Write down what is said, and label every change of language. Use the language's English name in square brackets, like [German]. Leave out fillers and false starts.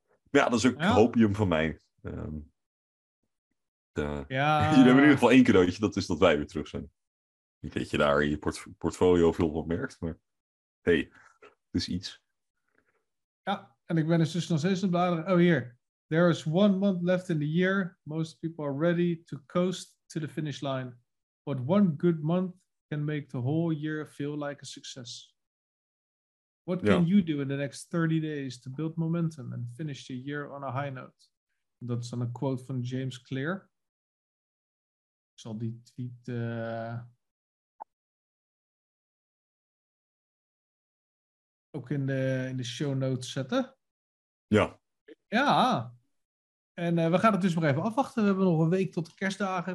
[Dutch] Maar ja, dat is ook hopium van mij. Jullie hebben in ieder geval één cadeautje. Dat is dat wij weer terug zijn. Niet dat je daar in je portfolio veel van merkt. Maar hey, het is iets. Ja, en ik ben dus nog steeds een bladeren. Oh, hier. [English] There is 1 month left in the year. Most people are ready to coast to the finish line. But 1 good month can make the whole year feel like a success. What can you do in the next 30 days to build momentum and finish the year on a high note? [Dutch] Dat is dan een quote van James Clear. Ik zal die tweet... ook in de show notes zetten. Ja. Ja. En we gaan het dus maar even afwachten. We hebben nog een week tot de kerstdagen.